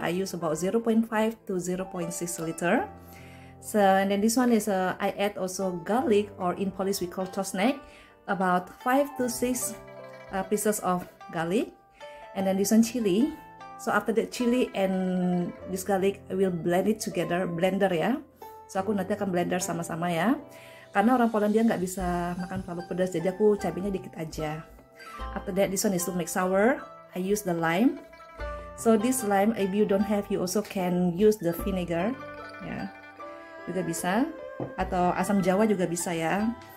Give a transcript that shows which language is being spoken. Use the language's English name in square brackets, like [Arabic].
[English] I use about 0.5 to 0.6 liter. So and then this one is I add also garlic, or in Polish we call czosnek, about 5 to 6 pieces of garlic, and then this one chili. So after that chili and this garlic I will blend it together, blender ya. [Indonesian] So aku nanti akan blender sama-sama ya, karena orang Polandia nggak bisa makan terlalu pedas, jadi aku cabenya dikit aja. [English] After that, this one is to make sour. I use the lime. So this lime, if you don't have, you also can use the vinegar, yeah. [Indonesian] Juga bisa, atau asam jawa juga bisa ya.